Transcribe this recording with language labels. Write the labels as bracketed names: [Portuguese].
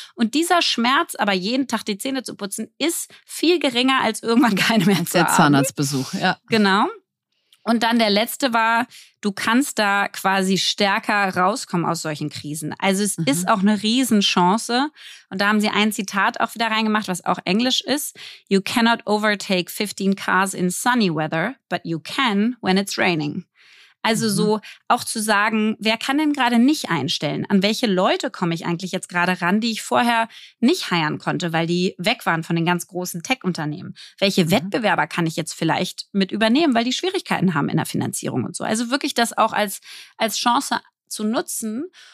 [German] Und dieser Schmerz, aber jeden Tag die Zähne zu putzen, ist viel geringer als irgendwann keine mehr zu haben. Der Zahnarztbesuch, ja. Genau. Und dann der letzte war, du kannst da quasi stärker rauskommen aus solchen Krisen. Also es ist auch eine Riesenchance. Und da haben sie ein Zitat auch wieder reingemacht, was auch Englisch ist. [English] You cannot overtake 15 cars in sunny weather, but you can when it's raining. [German] Also so auch zu sagen, wer kann denn gerade nicht einstellen? An welche Leute komme ich eigentlich jetzt gerade ran, die ich vorher nicht hiren konnte, weil die weg waren von den ganz großen Tech-Unternehmen? Welche Wettbewerber kann ich jetzt vielleicht mit übernehmen, weil die Schwierigkeiten haben in der Finanzierung und so? Also wirklich das auch als Chance zu nutzen.